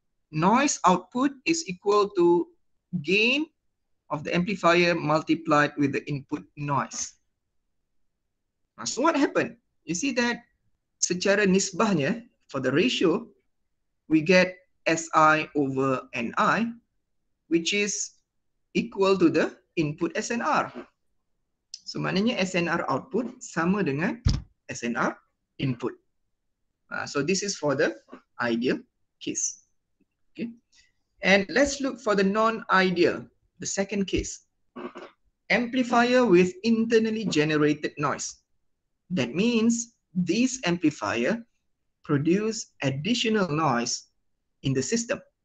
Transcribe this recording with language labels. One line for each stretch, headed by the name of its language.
English: Noise output is equal to gain of the amplifier multiplied with the input noise. So what happened? You see that
Malay: secara nisbahnya,
English: for the ratio, we get SI over NI, which is equal to the input SNR.
Malay: So maknanya SNR output sama dengan SNR input.
English: So this is for the ideal case. Okay, and let's look for the non-ideal, the second case. Amplifier with internally generated noise. That means this amplifier produce additional noise in the system.